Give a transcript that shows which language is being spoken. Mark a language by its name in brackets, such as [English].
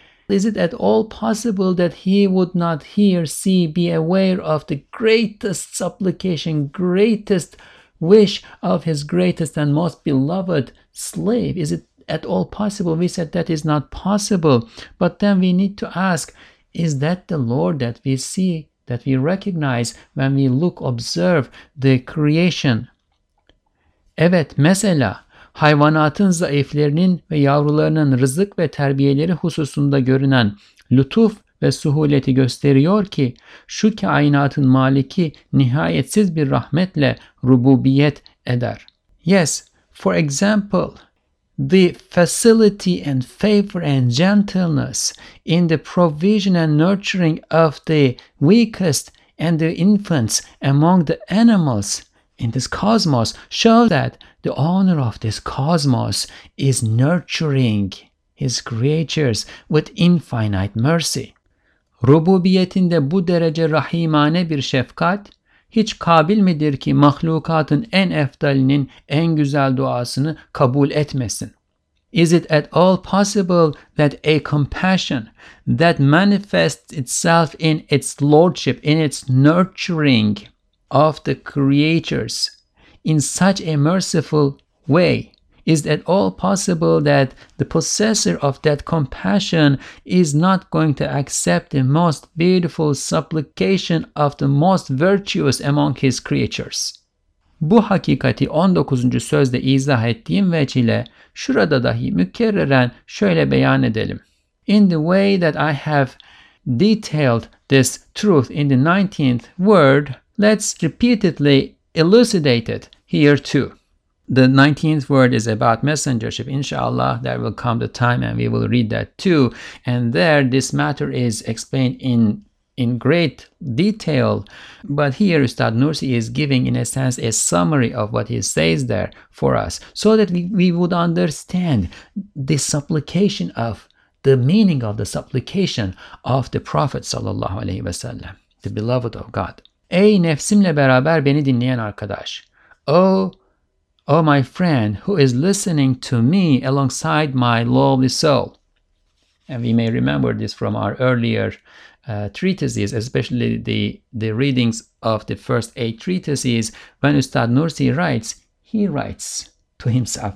[English] Is it at all possible that he would not hear, see, be aware of the greatest supplication, greatest wish of his greatest and most beloved slave? Is it at all possible? We said that is not possible. But then we need to ask, is that the Lord that we see, that we recognize when we look, observe the creation? [Turkish] Evet, mesela hayvanatın zayıflarının ve yavrularının rızık ve terbiyeleri hususunda görünen lütuf ve suhuleti gösteriyor ki, şu kainatın maliki nihayetsiz bir rahmetle rububiyet eder. [English] Yes, for example, the facility and favor and gentleness in the provision and nurturing of the weakest and the infants among the animals in this cosmos show that the owner of this cosmos is nurturing his creatures with infinite mercy. [Turkish] Rububiyetinde bu derece rahimane bir şefkat, hiç kabil midir ki mahlukatın en efdalinin en güzel duasını kabul etmesin? [English] Is it at all possible that a compassion that manifests itself in its lordship, in its nurturing of the creatures in such a merciful way? Is it at all possible that the possessor of that compassion is not going to accept the most beautiful supplication of the most virtuous among his creatures? [Turkish] Bu hakikati 19. sözde izah ettiğim veçile şurada dahi mükerreren şöyle beyan edelim. [English] In the way that I have detailed this truth in the 19th word, let's repeatedly elucidate it here too. The 19th word is about messengership. Inshallah, there will come the time and we will read that too. And there this matter is explained in great detail. But here Ustad Nursi is giving, in a sense, a summary of what he says there for us, so that we would understand the supplication of, the meaning of the supplication of the Prophet sallallahu alaihi wasallam, the beloved of God. [Turkish] Ey nefsimle beraber beni dinleyen arkadaş. [English] Oh my friend who is listening to me alongside my lovely soul. And we may remember this from our earlier treatises, especially the readings of the first 8 treatises. When Ustad Nursi writes to himself.